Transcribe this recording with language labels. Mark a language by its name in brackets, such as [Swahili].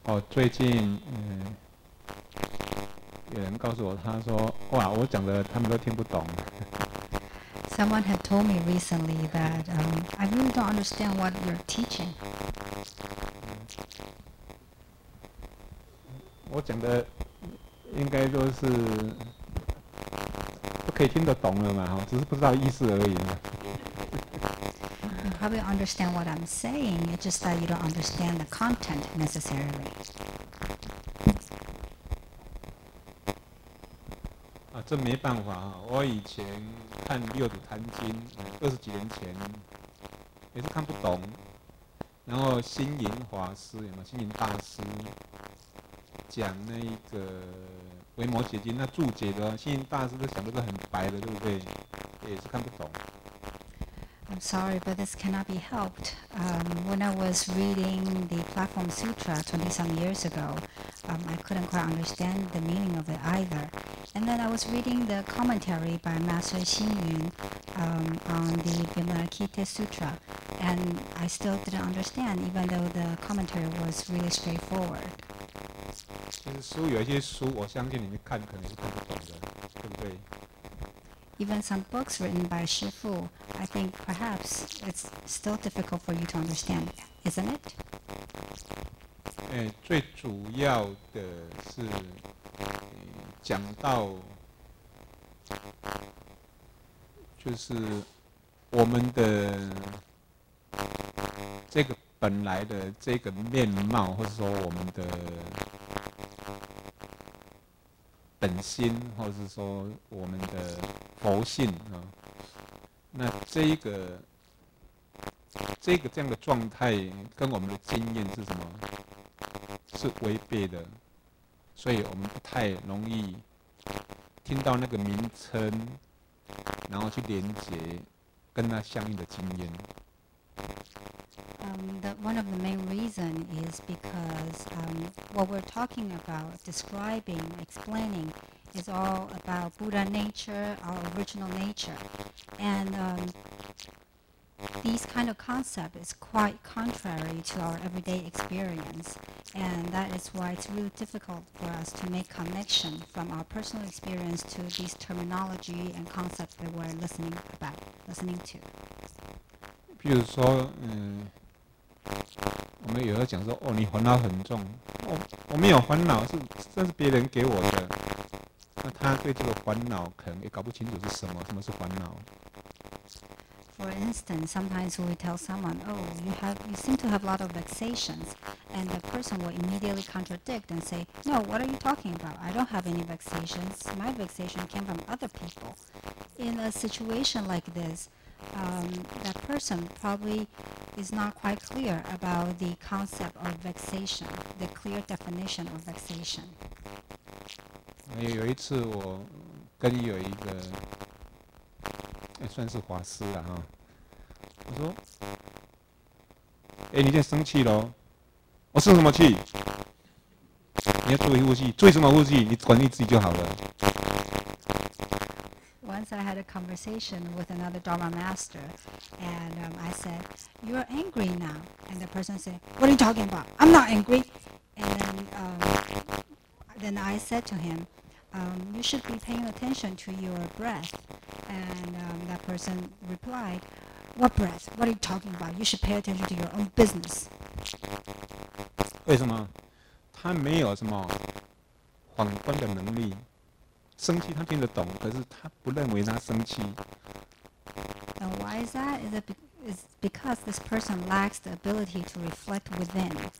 [Chinese] 最近，有人告诉我，他说：“哇，我讲的他们都听不懂。” Someone had told me recently that I really don't understand what you're teaching. 我讲的应该都是都可以听得懂了嘛，只是不知道意思而已嘛。 [English] You probably understand what I'm saying. It's just that you don't understand the content necessarily. [Chinese] 啊，这没办法啊！我以前看《六祖坛经》，二十几年前也是看不懂。然后星云法师有没有？星云大师讲那一个《维摩诘经》，那注解的星云大师都讲的是很白的，对不对？也是看不懂。 [English] I'm sorry, but this cannot be helped. When I was reading the Platform Sutra 20-some years ago, I couldn't quite understand the meaning of it either. And then I was reading the commentary by Master Xing Yun on the Vimalakita Sutra, and I still didn't understand, even though the commentary was really straightforward. [Chinese] 其实书有一些书，我相信你们看可能是看不懂的，对不对？ [English] Even some books written by Shi Fu, I think perhaps it's still difficult for you to understand, isn't it? [Chinese] 最主要的是讲到就是我们的这个本来的这个面貌，或者说我们的本心，或者是说我们的佛性啊，那这个这样的状态跟我们的经验是什么？是违背的，所以我们不太容易听到那个名称，然后去连接跟那相应的经验。 [English] One of the main reasons is because what we're talking about, describing, explaining, is all about Buddha nature, our original nature. And these kind of concepts is quite contrary to our everyday experience. And that is why it's really difficult for us to make connection from our personal experience to these terminology and concepts that we're listening to. [Chinese] 比如说我们有时候讲说你烦恼很重，我没有烦恼，是别人给我的，那他对这个烦恼可能也搞不清楚是什么是烦恼。 [English] For instance, sometimes we tell someone, oh, you seem to have a lot of vexations, and the person will immediately contradict and say, no, what are you talking about? I don't have any vexations. My vexation came from other people. In a situation like this, that person probably is not quite clear about the concept of vexation, the clear definition of vexation. [Chinese] 有一次我跟有一个算是法师啦哈，我说：“你现在生气了？我生什么气？你要注意呼吸，注意什么呼吸？你管你自己就好了。” [English] Once I had a conversation with another Dharma master, and I said, "You're angry now," and the person said, "What are you talking about? I'm not angry." And then I said to him, "You should be paying attention to your breath." And that person replied, "What breath? What are you talking about? You should pay attention to your own business." [Chinese] 为什么？他没有什么反观的能力。生气他听得懂，可是他不认为他生气。 [English] And why is that? Is it is because this person lacks the ability to reflect within.